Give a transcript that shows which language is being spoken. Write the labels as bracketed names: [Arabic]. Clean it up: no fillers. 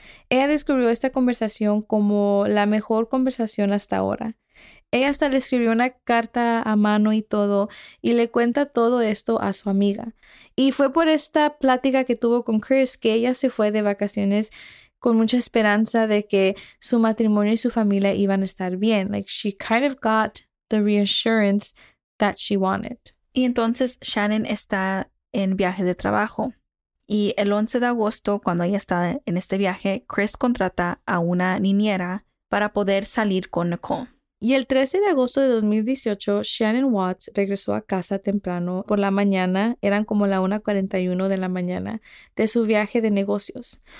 [Spanish] Ella describió esta conversación como la mejor conversación hasta ahora. Ella hasta le escribió una carta a mano y todo, y le cuenta todo esto a su amiga. Y fue por esta plática que tuvo con Chris que ella se fue de vacaciones con mucha esperanza de que su matrimonio y su familia iban a estar bien. [English] Like, she kind of got the reassurance that she wanted. [Spanish] Y entonces Shannon está en viaje de trabajo. Y el 11 de agosto, cuando ella está en este viaje, Chris contrata a una niñera para poder salir con Nicole. Y el 13 de agosto de 2018, Shannon Watts regresó a casa temprano por la mañana, eran como la 1:41 de la mañana, de su viaje de negocios.